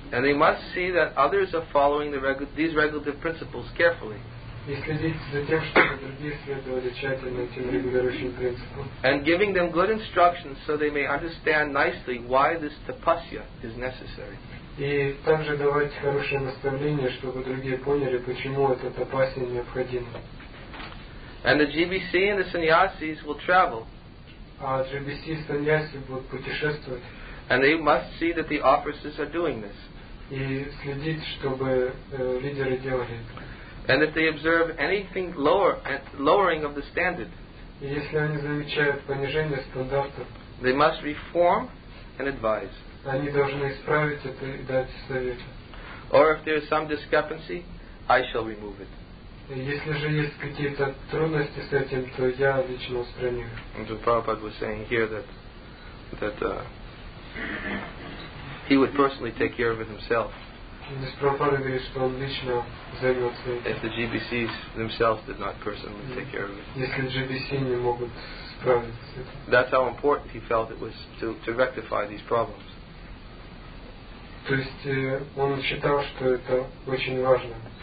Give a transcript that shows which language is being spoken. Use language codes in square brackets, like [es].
[en] And they must see that others are following these regulative principles carefully. [ru] И следить за тем, чтобы другие следовали тщательно этим регулирующим принципам. [en] And giving them good instructions so they may understand nicely why this tapasya is necessary. [ru] И также давать хорошее наставление, чтобы другие поняли, почему это тапасья необходимо. [en] And the GBC and the sannyasis will travel. [ru] А GBC и sannyasis будут путешествовать. [en] And they must see that the officers are doing this. [ru] И следить, чтобы лидеры делали это. [en] And if they observe anything lowering of the standard. [ru] И если они замечают понижение стандартов. [en] They must reform and advise. [ru] Они должны исправить это и дать советы. [en] Or if there is some discrepancy, I shall remove it. [ru] Если же есть какие-то трудности с этим, то я лично устраню. [en] And the Prabhupada was saying here that he would personally take care of it himself. [ru] Здесь Прабхупада говорит, что он лично займется этим. [en] If the GBCs themselves did not personally take care of it. [ru] Если GBC не могут справиться с этим. [en] That's how important he felt it was to rectify these problems. [ru] То есть он считал, что это очень важно.